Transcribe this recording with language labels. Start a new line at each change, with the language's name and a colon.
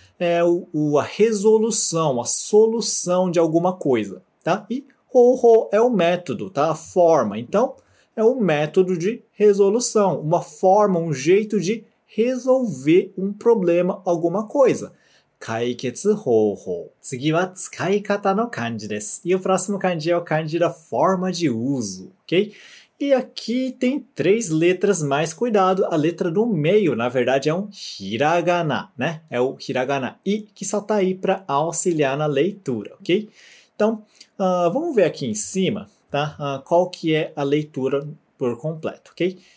Portuguese: É a resolução, a solução de alguma coisa, tá? E ho-ho é o método, tá? A forma. Então, é um método de resolução, uma forma, um jeito de resolver um problema, alguma coisa.
Japanese: Kaiketsu ho-ho. 次は使い方の漢字です。
Portuguese: E o próximo 漢字é o 漢字da forma de uso, ok? E aqui tem três letras, mais cuidado, a letra do meio, na verdade, é um hiragana, né? É o hiragana i, que só está aí para auxiliar na leitura, ok? Então, vamos ver aqui em cima, tá? Qual que é a leitura por completo, ok?